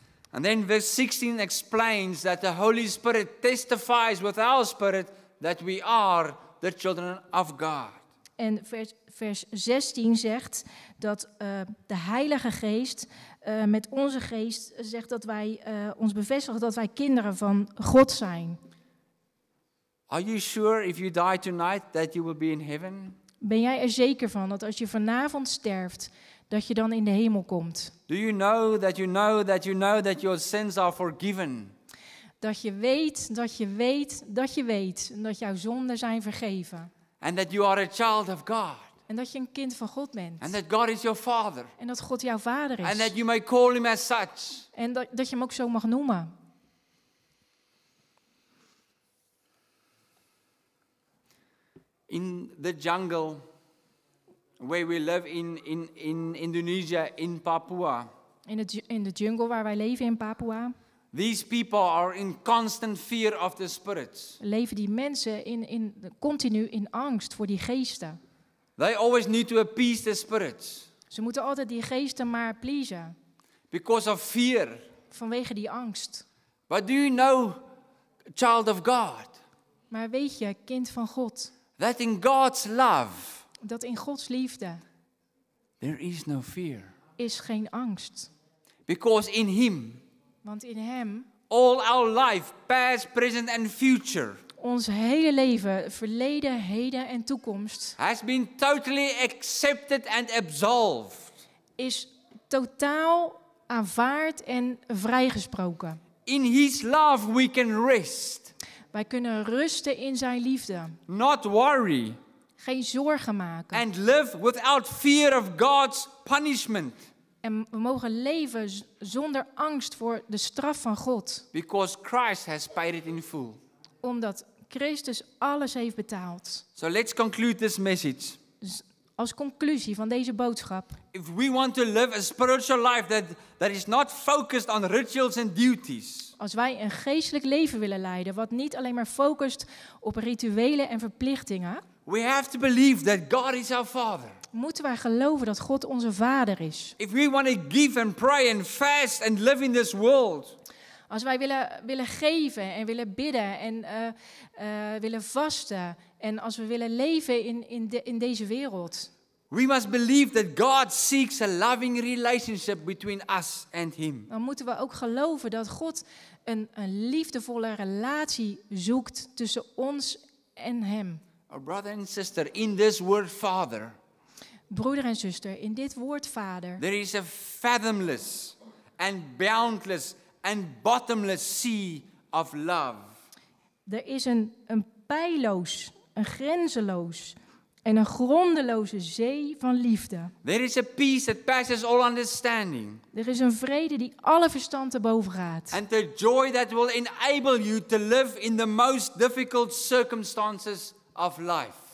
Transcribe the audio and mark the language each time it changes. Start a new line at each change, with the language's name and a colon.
English: And then verse 16 explains that the Holy Spirit testifies with our spirit that we are the children of God.
Dutch: En vers 16 zegt dat de Heilige Geest met onze geest zegt dat wij ons bevestigen dat wij kinderen van God zijn.
English: Are you sure if you die tonight that you will be in heaven?
Dutch: Ben jij er zeker van dat als je vanavond sterft dat je dan in de hemel komt.
English: Do you know that you know that you know that your sins are forgiven?
Dutch: Dat je weet, dat je weet, dat je weet dat jouw zonden zijn vergeven.
English: And that you are a child of God.
Dutch: En dat je een kind van God bent.
English: And that God is your father.
Dutch: En dat God jouw vader is.
English: And that you may call him as such.
Dutch: En dat je hem ook zo mag noemen.
English: In the jungle where we live in Indonesia, in Papua.
Dutch: In de jungle waar wij leven in Papua.
English: These people are in constant fear of the spirits.
Dutch: Leven die mensen in continu in angst voor die geesten.
English: They always need to appease the spirits.
Dutch: Ze moeten altijd die geesten maar pleasen.
English: Because of fear.
Dutch: Vanwege die angst.
English: But do you know, child of God?
Dutch: Maar weet je, kind van God?
English: That in God's love.
Dutch: Dat in Gods liefde.
English: There is no fear.
Dutch: Is geen angst.
English: Because in Him.
Dutch: Want in Hem.
English: All our life, past, present and future.
Dutch: Ons hele leven, verleden, heden en toekomst.
English: Has been totally accepted and absolved.
Dutch: Is totaal aanvaard en vrijgesproken.
English: In His love we can rest.
Dutch: Wij kunnen rusten in zijn liefde.
English: Not worry.
Dutch: Geen zorgen maken.
English: And live without fear of God's punishment.
Dutch: En we mogen leven zonder angst voor de straf van God.
English: Because Christ has paid it in full.
Dutch: Omdat Christus alles heeft betaald.
English: So let's conclude this message.
Dutch: Als conclusie van deze boodschap.
English: If we want to live a spiritual life that is not focused on rituals and duties.
Dutch: Als wij een geestelijk leven willen leiden wat niet alleen maar focust op rituelen en verplichtingen.
English: We have to believe that God is our Father.
Dutch: Moeten wij geloven dat God onze Vader is?
English: If we want to give and pray and fast and live in this world.
Dutch: Als wij willen geven en willen bidden en willen vasten. En als we willen leven in deze wereld.
English: We must believe that God seeks a loving relationship between us and Him.
Dutch: Dan moeten we ook geloven dat God een liefdevolle relatie zoekt tussen ons en Hem.
English: Our brother and sister, in this word Father.
Dutch: Broeder en zuster, in dit woord Vader.
English: There is a fathomless and boundless and bottomless sea of love.
Dutch: Er is een pijloos, een grenzeloos en een grondeloze zee van liefde.
English: There is a peace that passes all understanding.
Dutch: Er is een vrede die alle verstand te boven gaat.
English: And the joy that will enable you to live in the most difficult circumstances of life.